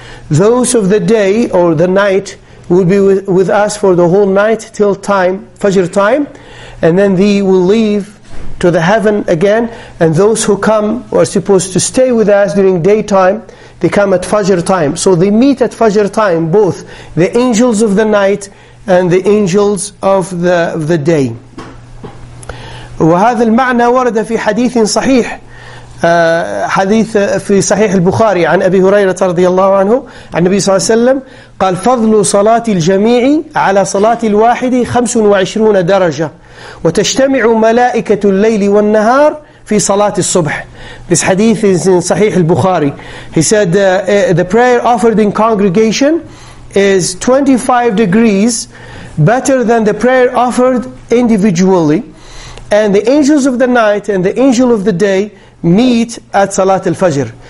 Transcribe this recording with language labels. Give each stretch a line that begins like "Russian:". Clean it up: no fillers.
English: Those of the day or the night will be with us for the whole night till time, Fajr time, and then they will leave to the heaven again. And those who come are supposed to stay with us during daytime, they come at Fajr time. So they meet at Fajr time, both the angels of the night and the angels of the day.
Arabic: وهذا المعنى ورد في حديث صحيح. حديث في صحيح البخاري عن أبي هريرة رضي الله عنه عن النبي صلى الله عليه وسلم قال فضل صلاة الجميع على صلاة الواحد 25 درجة وتجتمع ملائكة الليل والنهار في صلاة الصبح.
English: This hadith is in صحيح البخاري. He said the prayer offered in congregation is 25 degrees better than the prayer offered individually, and the angels of the night and the angel of the day meet at Salat al-Fajr.